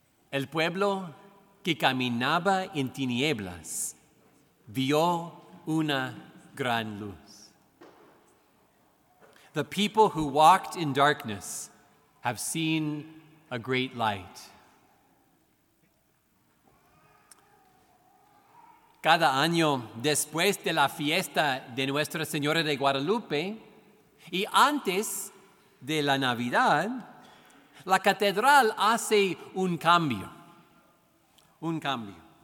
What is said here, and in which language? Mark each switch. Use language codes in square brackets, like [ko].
[es] El pueblo que caminaba en tinieblas vio una gran luz. [en] The people who walked in darkness have seen a great light. [es] Cada año, después de la fiesta de Nuestra Señora de Guadalupe y antes de la Navidad, la catedral hace un cambio. Un cambio.